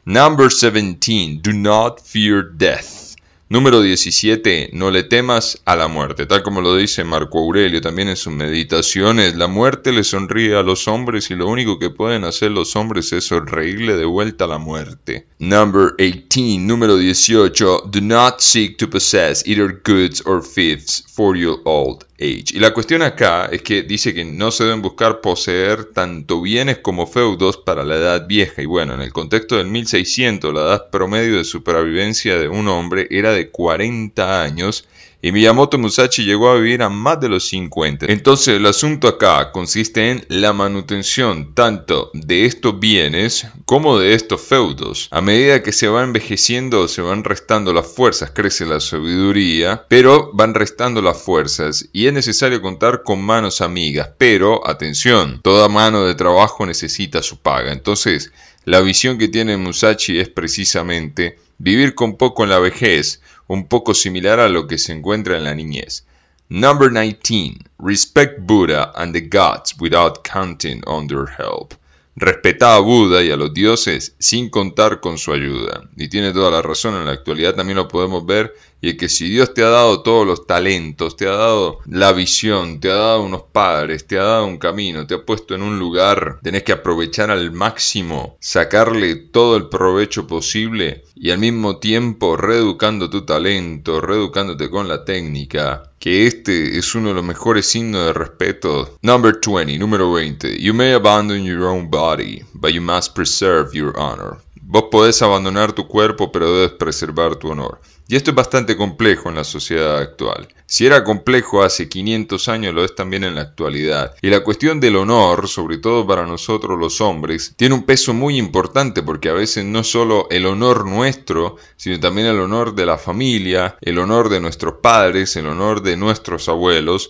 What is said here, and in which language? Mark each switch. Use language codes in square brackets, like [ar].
[en] Number 17. Do not fear death. [es] Número 17. No le temas a la muerte. Tal como lo dice Marco Aurelio también en sus meditaciones, la muerte le sonríe a los hombres y lo único que pueden hacer los hombres es sonreírle de vuelta a la muerte. [en] Number 18. [es] Número 18. [en] Do not seek to possess either goods or thieves for your old age. [es] Y la cuestión acá es que dice que no se deben buscar poseer tanto bienes como feudos para la edad vieja. Y bueno, en el contexto del 1600, la edad promedio de supervivencia de un hombre era de 40 años y Miyamoto Musashi llegó a vivir a más de los 50. Entonces el asunto acá consiste en la manutención tanto de estos bienes como de estos feudos. A medida que se va envejeciendo se van restando las fuerzas, crece la sabiduría, pero van restando las fuerzas y es necesario contar con manos amigas. Pero atención, toda mano de trabajo necesita su paga. Entonces la visión que tiene Musashi es precisamente vivir con poco en la vejez, un poco similar a lo que se encuentra en la niñez. [en] Number 19. Respect Buddha and the gods without counting on their help. [es] Respeta a Buda y a los dioses sin contar con su ayuda. Y tiene toda la razón, en la actualidad también lo podemos ver, y es que si Dios te ha dado todos los talentos, te ha dado la visión, te ha dado unos padres, te ha dado un camino, te ha puesto en un lugar, tenés que aprovechar al máximo, sacarle todo el provecho posible y al mismo tiempo reeducando tu talento, reeducándote con la técnica, que este es uno de los mejores signos de respeto. [en] Number 20, [es] número 20. [en] You may abandon your own body, but you must preserve your honor. [es] Vos podés abandonar tu cuerpo, pero debes preservar tu honor. Y esto es bastante complejo en la sociedad actual. Si era complejo hace 500 años, lo es también en la actualidad. Y la cuestión del honor, sobre todo para nosotros los hombres, tiene un peso muy importante, porque a veces no solo el honor nuestro, sino también el honor de la familia, el honor de nuestros padres, el honor de nuestros abuelos.